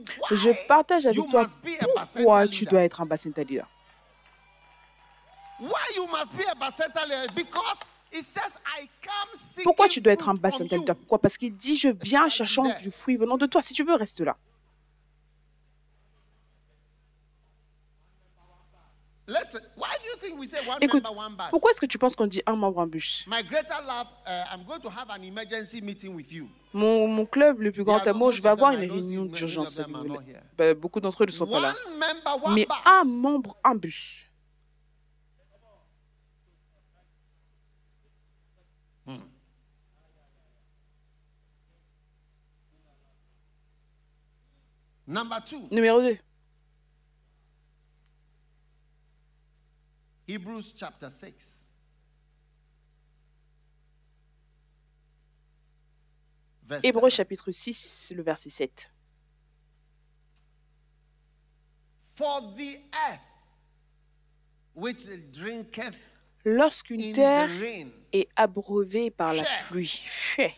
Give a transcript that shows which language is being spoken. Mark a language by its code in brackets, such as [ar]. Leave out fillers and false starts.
[fr] Je partage avec toi pourquoi tu dois être un Basenta leader. [en] Why you must be a bacentaler? Because it says I come seeking. [fr] Pourquoi tu dois être un bacentaler? Pourquoi? Parce qu'il dit je viens cherchant du fruit venant de toi. Si tu veux, reste là. [en] Listen, why do you think we say one [fr] Écoute, [en] member one bus? [fr] Pourquoi est-ce que tu penses qu'on dit un membre un bus? [en] My greater love, I'm going to have an emergency meeting with you. [fr] Mon club, le plus grand amour, je vais avoir une réunion d'urgence. Beaucoup d'entre eux ne sont pas là. Mais un membre, un bus. Numéro 2. [en] Hebrews chapter 6. [fr] Hébreux chapitre 6, le verset 7. [en] For the earth which drinketh [fr] lorsqu'une terre est abreuvée par la pluie, fait.